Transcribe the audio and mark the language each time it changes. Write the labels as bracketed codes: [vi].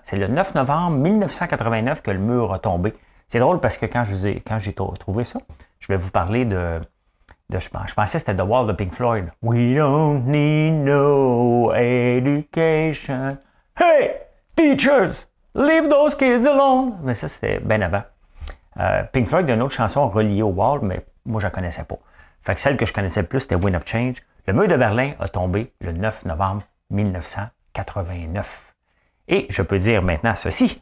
[fr] C'est le 9 novembre 1989 que le mur a tombé. C'est drôle parce que quand j'ai trouvé ça, je vais vous parler de je pensais que c'était The Wall de Pink Floyd. [en] We don't need no education. Hey, teachers, leave those kids alone. [fr] Mais ça, c'était bien avant. Pink Floyd, une autre chanson reliée au Wall, mais moi, je la connaissais pas. Fait que celle que je connaissais le plus, c'était Wind of Change. Le mur de Berlin a tombé le 9 novembre 1989. Et je peux dire maintenant ceci.